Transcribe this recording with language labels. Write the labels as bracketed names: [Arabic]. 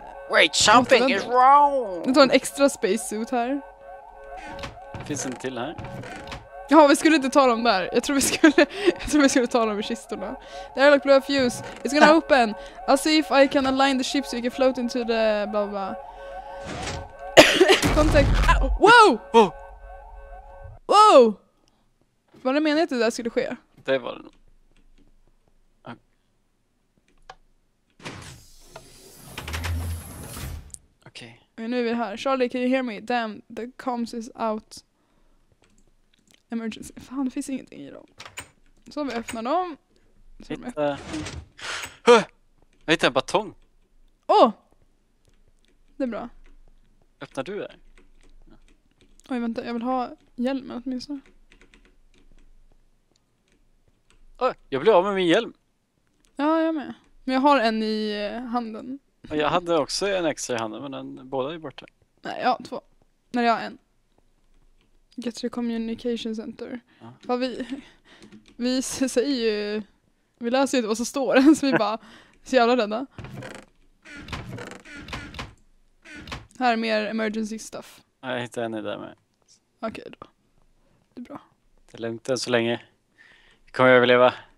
[English] Wait, something is wrong! [Swedish] Nu tar en extra spacesuit här. Finns en till här. Jaha, vi skulle inte ta dem där. Jag tror vi skulle ta dem i kistorna. [English] The airlock blew a fuse. It's gonna open. I'll see if I can align the ship so you can float into the... blah, blah, blah. Contact. Wow! Wow! [Swedish] Var det meningen att det där skulle ske? Det var det. Nu är vi här. [English] Charlie, can you hear me? Damn, the comms is out. Emergency. [Swedish] Fan, det finns ingenting i dem. Så vi öppnar dem. Jag hittar en batong. Åh! Oh! Det är bra. Öppnar du där? Ja. Oj, vänta. Jag vill ha hjälmen åtminstone. Oh, jag blev av med min hjälm. Ja, jag med. Men jag har en i handen. Jag hade också en extra i handen, men den båda är borta. Nej, jag har två. Nej, jag har en. [English] Get to the communication center. [Swedish] Ja. Vad vi säger ju... Vi läser ju inte vad som står än, så vi bara... Så jävla rädda. Här är mer [English] emergency stuff. [Swedish] Nej, jag hittar en i där med. Okej, då. Det är bra. Det är lugnt än så länge. Vi kommer överleva.